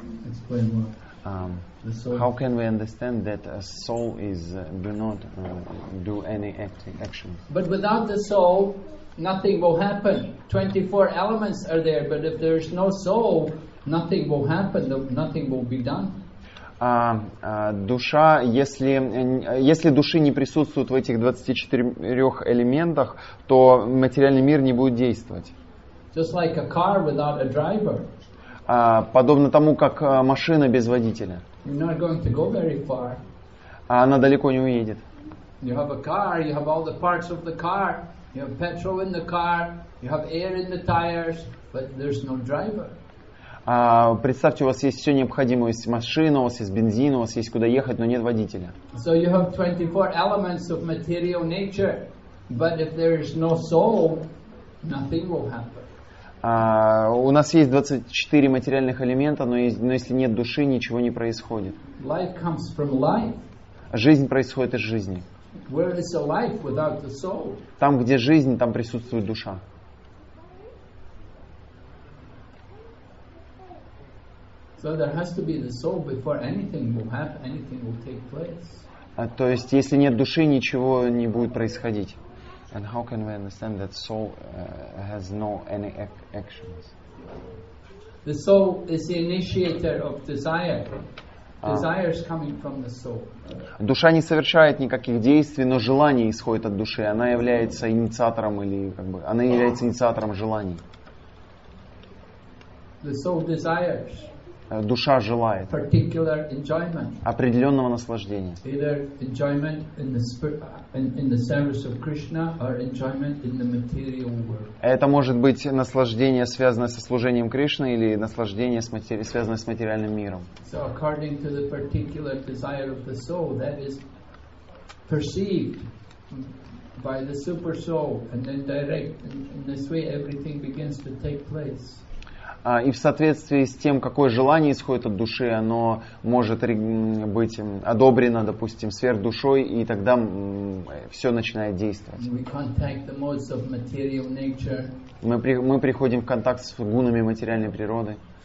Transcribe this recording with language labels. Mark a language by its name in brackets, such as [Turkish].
[English] Explain what? How can we understand that a soul is do any action? But without the soul, nothing will happen. 24 elements are there, but if there is no soul, nothing will happen. Nothing will be done. [Russian] Душа, если души не присутствуют в этих 24 элементах, то материальный мир не будет действовать. [English] Just like a car without a driver. [Russian] Подобно тому, как машина без водителя. [English] You're not going to go very far. [Russian] Она далеко не уедет. [English] You have a car, you have all the parts of the car. You have petrol in the car, you have air in the tires, but there's no driver. [Russian] Представьте, у вас есть все необходимое, есть машина, у вас есть бензин, у вас есть куда ехать, но нет водителя. [English] So you have 24 elements of material nature, but if there is no soul, nothing will happen. [Russian] У нас есть 24 материальных элемента, но если нет души, ничего не происходит. [English] Life comes from life. [Russian] Жизнь происходит из жизни. [English] Where is a life without the soul? [Russian] Там, где жизнь, там присутствует душа. [English] So there has to be the soul before anything will happen, anything will take place. [Russian] То есть, если нет души, ничего не будет происходить. [English] And how can we understand that soul has no any actions? The soul is the initiator of desire. Desires coming from the soul. [Russian] Душа не совершает никаких действий, но желание исходит от души. Она является инициатором или как бы она является инициатором желаний. [English] The soul desires. [Russian] Душа желает [English] particular enjoyment. [Russian] Определенного наслаждения. [English] Either enjoyment in the spirit, in the service of Krishna, or enjoyment in the material world. [Russian] Это может быть наслаждение, связанное со служением Кришны, или наслаждение, связанное с материальным миром. [English] So according to the particular desire of the soul, that is perceived by the super soul and then direct. In this way everything begins to take place. [Russian] И в соответствии с тем, какое желание исходит от души, оно может быть одобрено, допустим, сверхдушой, и тогда все начинает действовать. Мы приходим в контакт с гунами материальной природы.